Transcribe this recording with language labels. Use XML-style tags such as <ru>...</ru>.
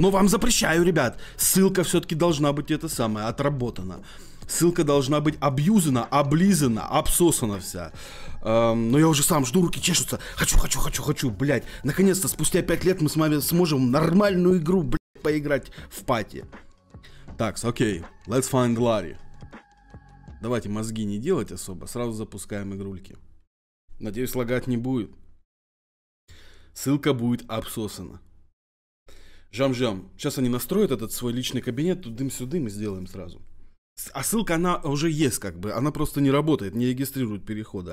<ru>Но вам запрещаю, ребят. Ссылка все-таки должна быть это самое, отработана. Ссылка должна быть абьюзана, облизана, обсосана вся. Но я уже сам жду, руки чешутся. Хочу, блядь. Наконец-то, спустя 5 лет мы с вами сможем нормальную игру, блядь, поиграть в пати. Так, окей,</ru> <en>let's find Larry.</en> <ru>Давайте мозги не делать особо, сразу запускаем игрульки. Надеюсь, лагать не будет. Ссылка будет обсосана. Жам-жам, сейчас они настроят этот свой личный кабинет, тут дым-сюдым и сделаем сразу. А ссылка, она уже есть, как бы, она просто не работает, не регистрирует переходы.</ru>